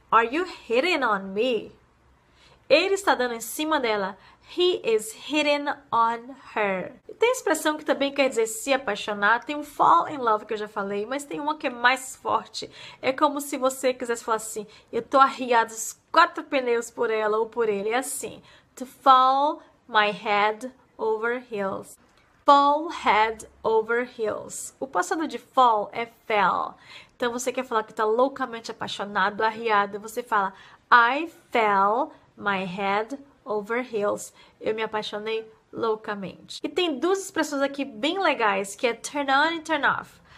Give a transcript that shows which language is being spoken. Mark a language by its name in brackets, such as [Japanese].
[English] Are you hitting on me? [Portuguese] Ele está dando em cima dela. [English] He is hitting on her. [Portuguese] E tem a expressão que também quer dizer se apaixonar. Tem um [English] fall in love [Portuguese] que eu já falei, mas tem uma que é mais forte. É como se você quisesse falar assim, eu tô arriado os quatro pneus por ela ou por ele. É assim, [English] to fall my head over heels. Fall head over heels. [Portuguese] O passado de fall é fell. Então você quer falar que tá loucamente apaixonado, arriado. Você fala, [English] I fell my head over heels. [Portuguese] Eu me apaixonei loucamente. E tem duas expressões aqui bem legais, que é [English] turn on [Portuguese] e [English] turn off.